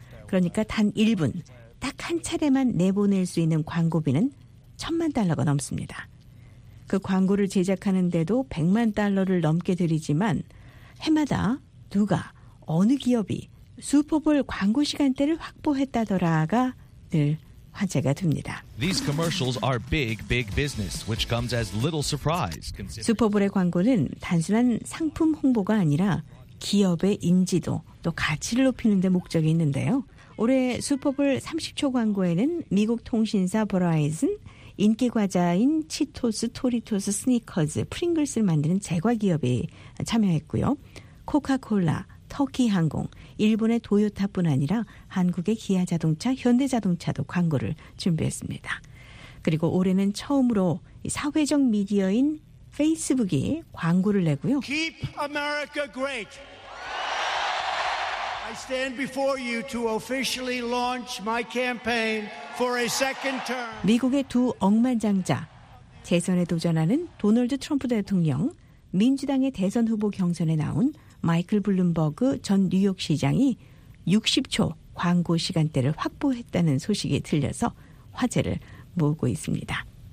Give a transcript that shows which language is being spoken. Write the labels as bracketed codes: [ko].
[ko] 그러니까 단 1분, 딱 한 차례만 내보낼 수 있는 광고비는 1천만 달러가 넘습니다. 그 광고를 제작하는데도 100만 달러를 넘게 들이지만 해마다 누가, 어느 기업이 슈퍼볼 광고 시간대를 확보했다더라가 늘 화제가 됩니다. [en] These commercials are big, big business, which comes as little surprise. [ko] 슈퍼볼의 광고는 단순한 상품 홍보가 아니라 기업의 인지도 또 가치를 높이는 데 목적이 있는데요. 올해 슈퍼볼 30초 광고에는 미국 통신사 버라이즌, 인기 과자인 치토스, 토리토스, 스니커즈, 프링글스를 만드는 제과 기업이 참여했고요. 코카콜라, 터키 항공, 일본의 도요타뿐 아니라 한국의 기아 자동차, 현대 자동차도 광고를 준비했습니다. 그리고 올해는 처음으로 사회적 미디어인 페이스북이 광고를 내고요. [en] Keep America great. I stand before you to officially launch my campaign for a second term. [ko] 미국의 두 억만장자, 재선에 도전하는 도널드 트럼프 대통령, 민주당의 대선 후보 경선에 나온 마이클 블룸버그 전 뉴욕시장이 60초 광고 시간대를 확보했다는 소식이 들려서 화제를 모으고 있습니다.